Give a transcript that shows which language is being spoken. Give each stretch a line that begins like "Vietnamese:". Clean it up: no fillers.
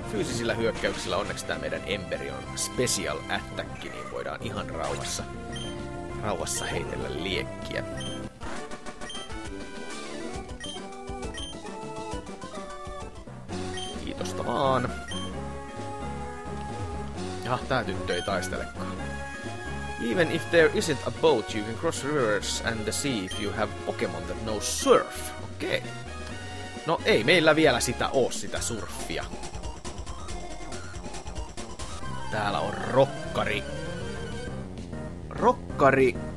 Finnish: Fyysisillä hyökkäyksillä onneksi tämä meidän Emberion Special Attack, niin voidaan ihan rauhassa heitellä liekkiä. Kiitosta vaan. Jaha, tää tyttö ei taistelekaan.
English: Even if there isn't a boat, you can cross rivers and the sea if you have Pokemon that knows surf.
Finnish: Okei. Okay. No ei meillä vielä sitä oo, sitä surffia. Täällä on rokkari. Rokkari...